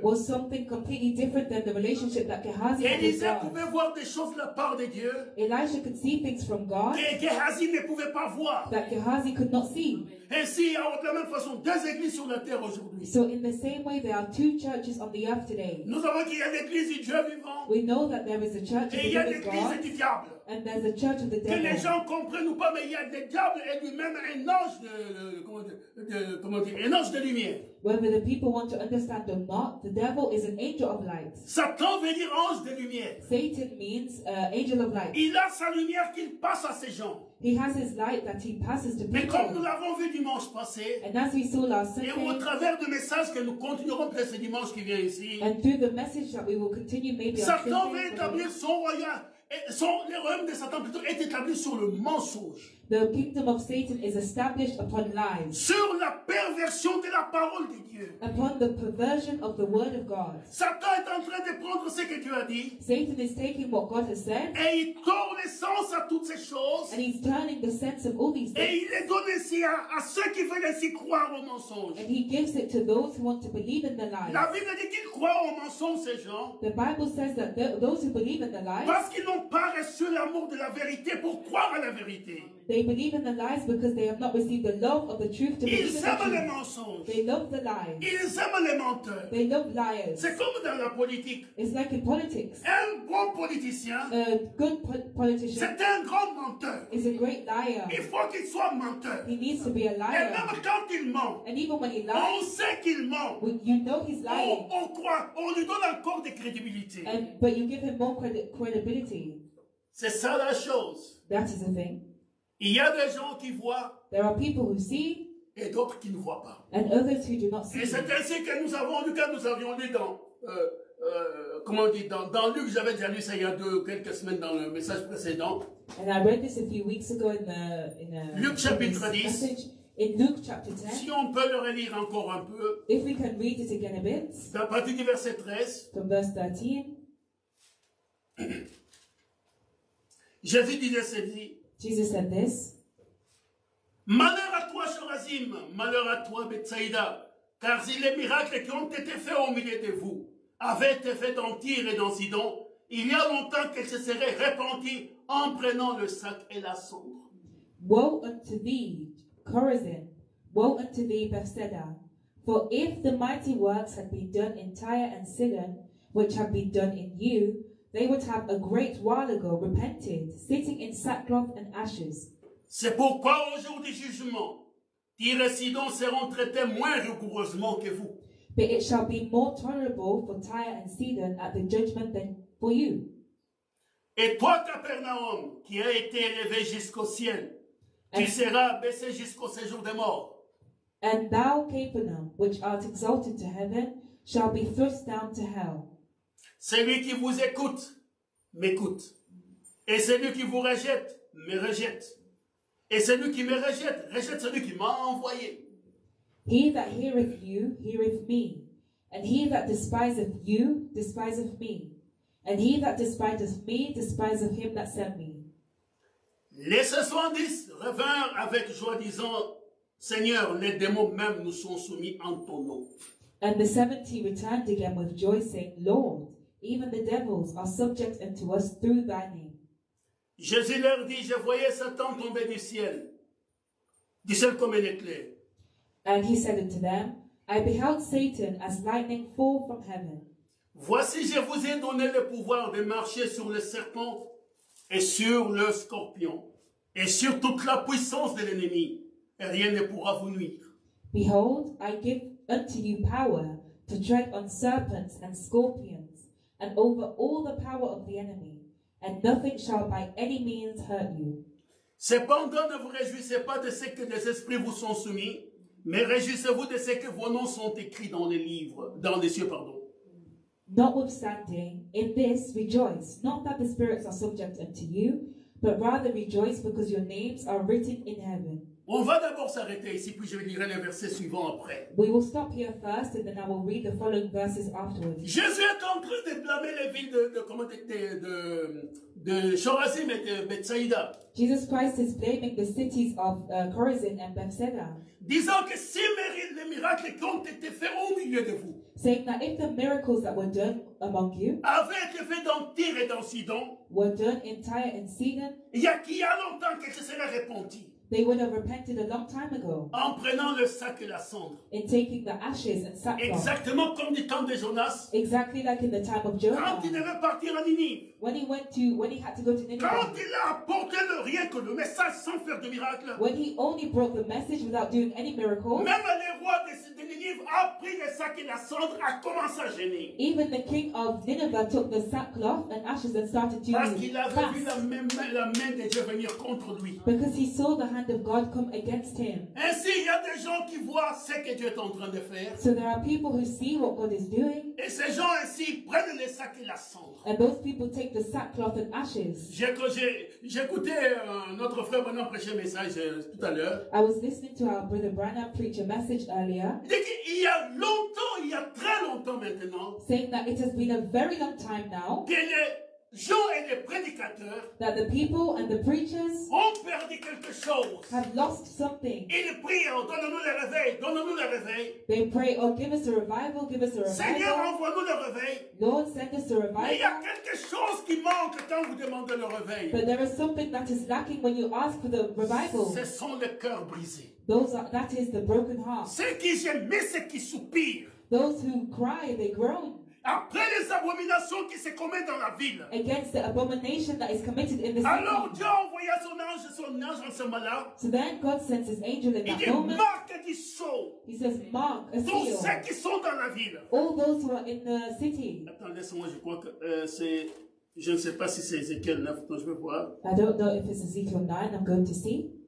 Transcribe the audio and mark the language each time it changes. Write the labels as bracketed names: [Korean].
[English] Was something completely different than the relationship that Gehazi had with God. [French] Élisée pouvait voir des choses de la part de Dieu. [English] Elisha could see things from God. [French] Que Gehazi ne pouvait pas voir. [English] That Gehazi could not see. [French] Ainsi, de la même façon, 2 églises sur la terre aujourd'hui. [English] So in the same way, there are 2 churches on the earth today. [French] Nous savons qu'il y a l'église du Dieu vivant. [English] We know that there is a church of the living God. [French] Et il y a l'église du diable. [English] And there's a church of the devil. [French] Que les gens comprennent ou pas, mais il y a le diable et lui-même un ange un ange de lumière. [English] Whether the people want to understand or not, the devil is an angel of light. [French] Satan veut dire ange de lumière. [English] Satan means angel of light. [French] Il a sa lumière qu'il passe à ces gens. [English] He has his light that he passes to people. [French] Mais comme nous l'avons vu dimanche passé, [English] and as we saw last Sunday, [French] et au travers du message que nous continuerons peut-être ce dimanche qui vient ici, [English] and through the message that we will continue maybe on Sunday, [French] Satan veut établir son royaume, le royaume de Satan plutôt est établi sur le mensonge. [English] The kingdom of Satan is established upon lies. [French] Sur la perversion de la parole de Dieu. [English] Upon the perversion of the word of God. [French] Satan est en train de prendre ce que Dieu a dit. [English] Satan is taking what God has said. [French] Et il tourne le sens à toutes ces choses. [English] And he's turning the sense of all these things. [French] Et il les donne ici à ceux qui veulent ainsi croire au mensonge. [English] And he gives it to those who want to believe in the lies. [French] La Bible dit qu'ils croient au mensonge ces gens. [English] The Bible says that those who believe in the lies. [French] Parce qu'ils n'ont pas reçu l'amour de la vérité pour croire à la vérité. [English] They believe in the lies because they have not received the love of the truth to believe [French] Ils [English] in the truth. [French] Les mensonges. [English] They love the lies. [French] Ils aiment les menteurs. [English] They love liars. [French] C'est comme dans la politique. [English] It's like in politics. [French] Un bon politicien. [English] A good politician. [French] C'est un grand menteur. [English] Is a great liar. [French] Il faut qu'il soit menteur. [English] He needs to be a liar. [French] Et même quand il ment. [English] And even when he lies. [French] On sait qu'il ment. [English] Well, you know he's lying. [French] On croit. On lui donne encore de crédibilité. [English] But you give him more credibility. [French] C'est ça la chose. [English] That is the thing. [French] Il y a des gens qui voient. [English] There are people who see. [French] Et d'autres qui ne voient pas. [English] And others who do not see. [French] Et c'est ainsi que nous avons lu, quand nous avions lu dans, comment on dit, dans Luc, j'avais déjà lu ça il y a deux, quelques semaines dans le message précédent. [English] And I read this a few weeks ago in [French] Luc chapitre 10. [English] Message, in Luke chapter 10. [French] Si on peut le relire encore un peu. [English] If we can read it again a bit. [French] À partir du verset 13. [English] From verse 13. [French] Jésus disait ceci. [English] Jesus said this. [French] Malheur à toi, Chorazim, malheur à toi, Bethsaïda, car si les miracles qui ont été faits au milieu de vous avaient été faits dans Tyr et dans Sidon, il y a longtemps qu'ils se seraient repentis en prenant le sac et la cendre. [English] Woe unto thee, Chorazin, woe unto thee, Bethsaida, for if the mighty works had been done in Tyre and Sidon, which have been done in you, they would have a great while ago repented, sitting in sackcloth and ashes. [French] C'est pourquoi au jour du jugement, Tyr et Sidon seront traités moins rigoureusement que vous. [English] But it shall be more tolerable for Tyre and Sidon at the judgment than for you. [French] Et toi, Capernaum, qui a été élevé jusqu'au ciel, tu seras abaissé jusqu'au séjour des morts. [English] And thou, Capernaum, which art exalted to heaven, shall be thrust down to hell. [French] Celui qui vous écoute, m'écoute. Et celui qui vous rejette, me rejette. Et celui qui me rejette, rejette celui qui m'a envoyé. [English] He that heareth you, heareth me. And he that despiseth you, despiseth me. And he that despiseth me, despiseth him that sent me. [French] Les 70 revinrent avec joie, disant, Seigneur, les démons même nous sont soumis en ton nom. [English] And the 70 returned again with joy, saying, Lord, even the devils are subject unto us through thy name. [French] Jésus leur dit, je voyais Satan tomber du ciel, du ciel comme un éclair. [English] And he said unto them, I beheld Satan as lightning fall from heaven. [French] Voici, je vous ai donné le pouvoir de marcher sur le serpent et sur le scorpion et sur toute la puissance de l'ennemi, et rien ne pourra vous nuire. [English] Behold, I give unto you power to tread on serpents and scorpions, and over all the power of the enemy, and nothing shall by any means hurt you. [French] Cependant, ne vous réjouissez pas de ce que les esprits vous sont soumis, mais réjouissez-vous de ce que vos noms sont écrits dans les livres, dans les cieux, pardon. [English] Notwithstanding, in this rejoice, not that the spirits are subject unto you, but rather rejoice because your names are written in heaven. [French] On va d'abord s'arrêter ici, puis je lirai le verset suivant après. [English] We will stop here first, and then I will read the following verses afterwards. [French] Jésus est en train de blâmer les villes de Chorazim et de Bethsaida. [English] Jesus Christ is blaming the cities of Chorazin and Bethsaida. [French] Disant que si les miracles qui ont été faits au milieu de vous. [English] Saying that if the miracles that were done among you. [French] Avaient été faits dans Tyr et dans Sidon. [English] Were done in Tyre and Sidon. [French] Il y a longtemps qu'ils se seraient repentis. [English] They would have repented a long time ago. [French] En prenant le sac et la cendre. [English] In taking the ashes and sackcloth. [French] Exactement comme du temps de Jonas. [English] Exactly like in the time of Jonah. [French] Quand il devait partir à Ninive. [English] When he had to go to Ninive. [French] Quand il a apporté le rien que le message sans faire de miracle. [English] When he only brought the message without doing any miracles. [French] Même le roi de Ninive a pris le sac et la cendre, a commencé à gêner. [English] Even the king of Nineveh took the sackcloth and ashes and started to fast. [French] Parce qu'il avait vu la main de Dieu venir contre lui. [English] Because he saw the hand of God come against him. [French] Ainsi, il y a des gens qui voient ce que Dieu est en train de faire. [English] So there are people who see what God is doing. [French] Et ces gens ainsi prennent les sacs et la cendre. [English] And those people take the sackcloth and ashes. [French] J'écoutais notre frère Branham prêcher un message tout à l'heure. [English] I was listening to our brother Branham preach a message earlier. [French] Il y a longtemps, il y a très longtemps maintenant. [English] Saying that it has been a very long time now. [French] Jean et les prédicateurs, [English] that the people and the preachers [French] ont perdu quelque chose, [English] have lost something. [French] Ils prient, donne-nous le réveil, donne-nous le réveil. [English] They pray, oh, give us a revival, give us a revival. [French] Seigneur, envoie-nous le réveil. [English] Lord, send us a revival. [French] Il y a quelque chose qui manque quand vous demandez le réveil. [English] But there is something that is lacking when you ask for the revival. [French] Ce sont les cœurs brisés. [English] That is the broken heart. [French] Ceux qui gémissent, ceux qui soupirent. [English] Those who cry, they groan. [French] Après les abominations qui se commettent dans la ville. [English] Against the abomination that is committed in the [French] alors [English] city. [French] Alors Dieu envoya son ange en ce moment-là. [English] So then God sends his angel in [French] il [English] that [French] dit, [English] moment. [French] Marque du sceau. [English] He says, mark a seal. [French] Tous ceux qui sont dans la ville. [English] All those who are in the city. [French] Attends, laisse-moi, je crois que c'est, je ne sais pas si c'est Ézéchiel 9, donc je vais voir. [English] I don't know if it's Ezekiel 9, I'm going to see.